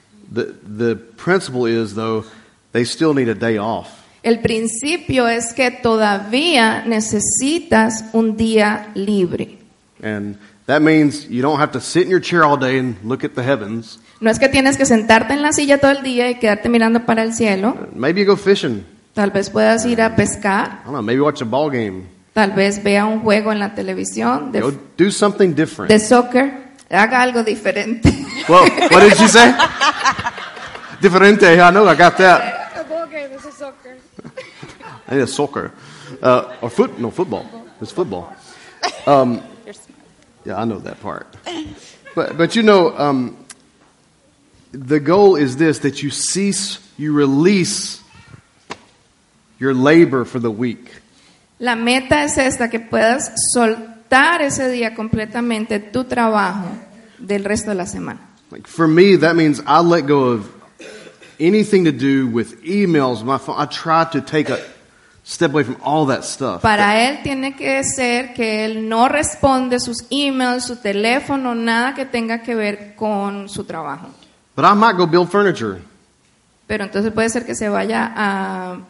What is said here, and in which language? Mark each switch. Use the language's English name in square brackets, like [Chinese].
[English] The principle is, though, they still need a day off. [Spanish] El principio es que todavía necesitas un día libre. [English] And that means you don't have to sit in your chair all day and look at the heavens. [Spanish] No es que tienes que sentarte en la silla todo el día y quedarte mirando para el cielo. [English] Maybe you go fishing. [Spanish] Tal vez puedas ir a pescar. [English] I don't know, maybe watch a ball game. [Spanish] Tal vez vea un juego en la televisión. [English] Do something different. [Spanish] De soccer. Haga algo diferente. [English] Well, what did you say? Diferente, I know, I got that. A ball game, this is soccer. I need a soccer. Football. It's football. Yeah, I know that part. But you know, the goal is this, that you cease, you release your labor for the week. [Spanish] La meta es esta, que puedas soltar ese día completamente tu trabajo del resto de la semana. [English] Like for me, that means I let go of anything to do with emails, my phone. I try to take a step away from all that stuff. [Spanish] Para él tiene que ser que él no responde sus emails, su teléfono, nada que tenga que ver con su trabajo. [English] But I might go build furniture. [Spanish] Pero entonces puede ser que se vaya a